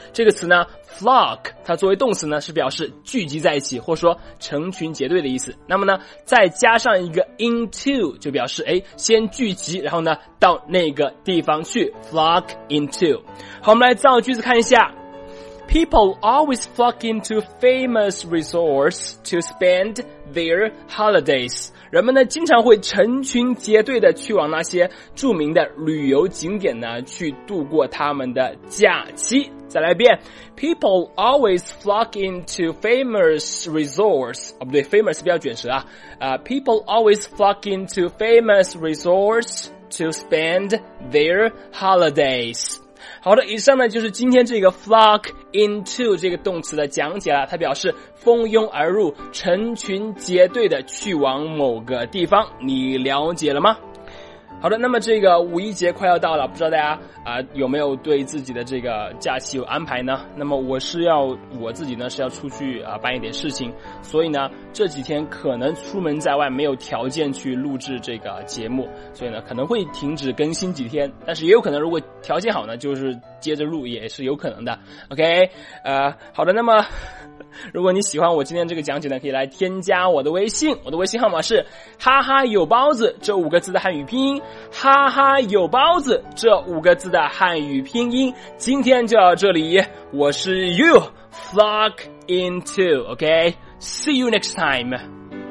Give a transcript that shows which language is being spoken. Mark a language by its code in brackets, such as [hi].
[zh] 这个词呢 flock 它作为动词呢是表示聚集在一起，或者说成群结队的意思。那么呢再加上一个 into 就表示先聚集然后呢到那个地方去， flock into。好，我们来造句子看一下。 [en] People always flock into famous resorts to spend their holidays。 [zh] 人们呢经常会成群结队的去往那些著名的旅游景点呢去度过他们的假期。再来一遍， [en] People always flock into famous resorts， famous [zh] 不要卷舌啊、 [en] People always flock into famous resorts to spend their holidays。 [zh] 好的，以上呢就是今天这个 flock into 这个动词的讲解了，它表示蜂拥而入，成群结队的去往某个地方，你了解了吗？好的，那么这个五一节快要到了，不知道大家有没有对自己的这个假期有安排呢？那么我自己呢是要出去办一点事情，所以呢这几天可能出门在外没有条件去录制这个节目，所以呢可能会停止更新几天，但是也有可能如果条件好呢就是接着录也是有可能的。 OK， 好的，那么如果你喜欢我今天这个讲解呢可以来添加我的微信，我的微信号码是哈哈有包子这五个字的汉语拼音，哈哈有包子这五个字的汉语拼音。今天就到这里，我是 [en] You flock into OK， See you next time。